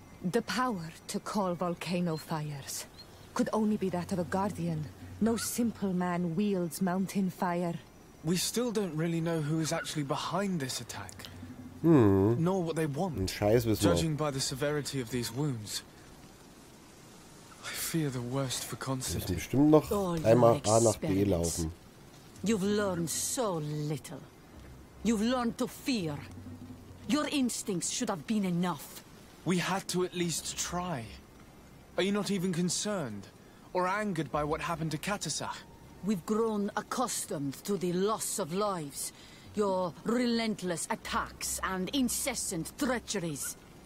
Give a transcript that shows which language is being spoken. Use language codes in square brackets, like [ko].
[en] The power to call volcano fires could only be that of a guardian. No simple man wields mountain fire. We still don't really know who is actually behind this attack. Nor what they want. Judging by the severity of these wounds, I fear the worst for Constantine. [de] Bestimmt noch einmal A nach B laufen. [en] You've learned so little. You've learned to fear. Your instincts should have been enough. We had to at least try. Are you not even concerned or angered by what happened to Katasach? We've grown accustomed to the loss of lives, your relentless attacks and incessant treacheries.